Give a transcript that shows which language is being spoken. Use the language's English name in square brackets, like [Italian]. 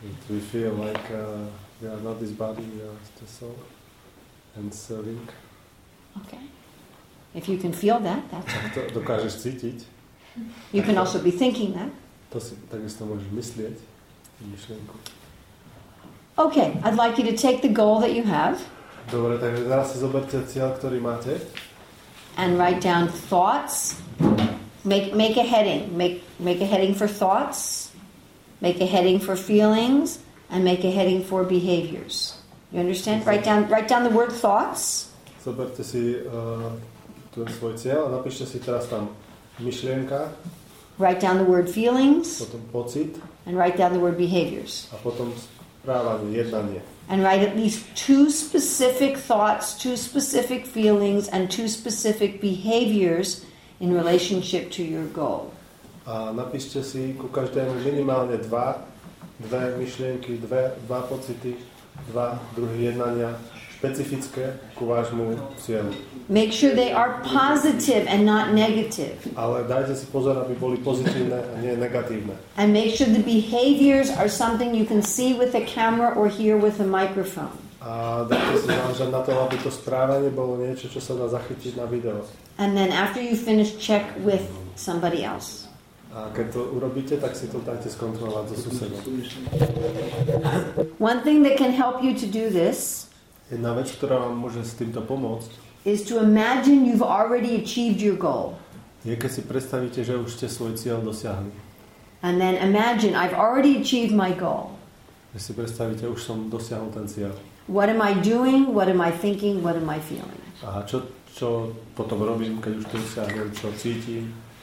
[English] We feel like we are not this body, we are the soul and serving. Okay. If you can feel that, that's [Slovak] it. Dokážeš cítiť. [English] You can also be thinking that. [Slovak] Takisto môžeš myslieť myšlienku. [English] Okay, I'd like you to take the goal that you have. [Slovak] Dobre, takže teraz si zoberte cieľ, ktorý máte. [English] And write down thoughts. Make a heading. Make a heading for thoughts. Make a heading for feelings. And make a heading for behaviors. You understand? Write down the word thoughts. [Slovak] Zoberte si tu svoj cieľ a napíšte si teraz tam myšlienka. [English] Write down the word feelings. [Slovak] Potom pocit. [English] And write down the word behaviors. [Slovak] A potom správanie, jednanie. [English] And write at least two specific thoughts, two specific feelings, and two specific behaviors in relationship to your goal. [Slovak] A napíšte si ku každému minimálne dve myšlienky, dva pocity, dva druhy jednania, špecifické ku vášmu cieľu. [English] Make sure they are positive and not negative. [Slovak] Ale dajte si pozor, aby boli pozitívne a nie negatívne. [English] And make sure the behaviors are something you can see with a camera or hear with a microphone. [Slovak] A dajte si záležať na to, aby to správanie bolo niečo, čo sa dá zachytiť na video. [English] And then after you finish, check with somebody else. [Slovak] A keď to urobíte, tak si to dajte skontrolovať so susedom. [English] One thing that can help you to do this, [Slovak] jedna vec, ktorá vám môže s týmto pomôcť, [English] is to imagine you've already achieved your goal. [Slovak] Je, keď si predstavíte, že už ste svoj cieľ dosiahli. [English] And then imagine I've already achieved my goal. [Slovak] Keď si predstavíte, už som dosiahol ten cieľ. [English] What am I doing? What am I thinking? What am I feeling? [Slovak] A čo potom robím, keď už to dosiahnem, čo cítim?